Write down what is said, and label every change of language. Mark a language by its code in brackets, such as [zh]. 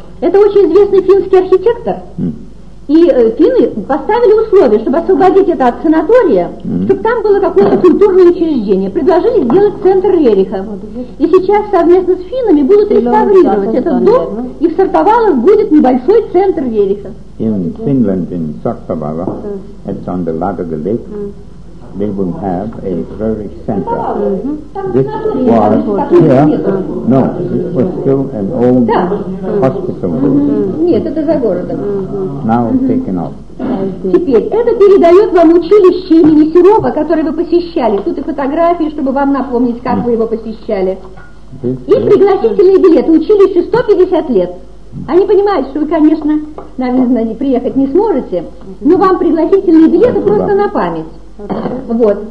[ru] Это очень известный финский архитектор. И финны поставили условие, чтобы освободить это от санатория, чтобы там было какое-то культурное учреждение. Предложили сделать центр Рериха. И сейчас совместно с финнами будут реставрировать этот дом, и в Сартовалах будет небольшой центр Рериха. [en] In Finland, in Sortavala, it's on the Ladoga Lake, they will have a Rerich center. This was here, no, this was still an old hospital room. [ru] Нет, это за городом. [en] Now taken off. [ru] Теперь это передает вам училище имени Серова, которое вы посещали. Тут и фотографии, чтобы вам напомнить, как вы его посещали. И пригласительные билеты. Училище 150 лет. Они понимают, что вы, конечно, наверное, приехать не сможете, но вам пригласительные билеты просто на память. Вот.